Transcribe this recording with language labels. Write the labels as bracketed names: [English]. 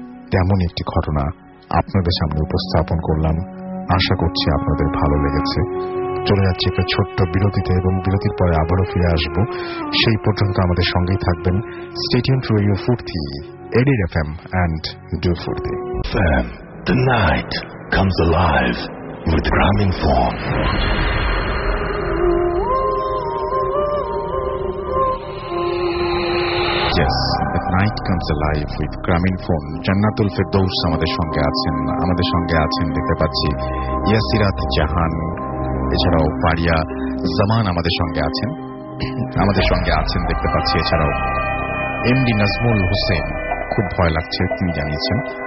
[Bangla] তেমনই একটি ঘটনা আপনাদের সামনে উপস্থাপন করলাম, আশা করছি আপনাদের ভালো লেগেছে। চলে যাচ্ছে একটা ছোট্ট বিরতিতে এবং বিরতির পরে আবারও ফিরে আসব। সেই পর্যন্ত আমাদের সঙ্গেই থাকবেন। [English] Stay tuned to radio 40 edit FM and do 40 FM. The night comes alive with Gramophone. Yes, the night comes alive with Gramophone. [Bangla] Jannatul Firdaus আমাদের সঙ্গে আছেন, আমাদের সঙ্গে আছেন দেখতে পাচ্ছি ইয়াসিরাত জাহান, এছাড়াও পারিয়া জামান আমাদের সঙ্গে আছেন, আমাদের সঙ্গে আছেন দেখতে পাচ্ছি এছাড়াও এমডি নাজমুল হোসেন, খুব ভয় লাগছে তিনি জানিয়েছেন,